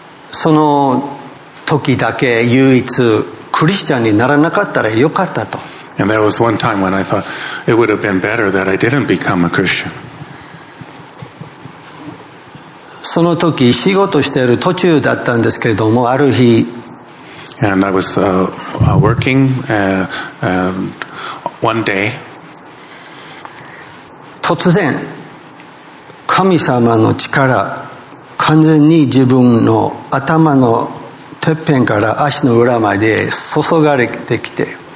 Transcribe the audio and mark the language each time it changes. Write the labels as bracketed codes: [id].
[ja] その時だけ唯一クリスチャンにならなかったらよかったと。 [en] And there was one time when I thought it would have been better that I didn't become a Christian. [ja] その時仕事している途中だったんですけれども、ある日 [en] and I was working and one day [ja] 突然神様の力完全に自分の頭のてっぺんから足の裏まで注がれてきて、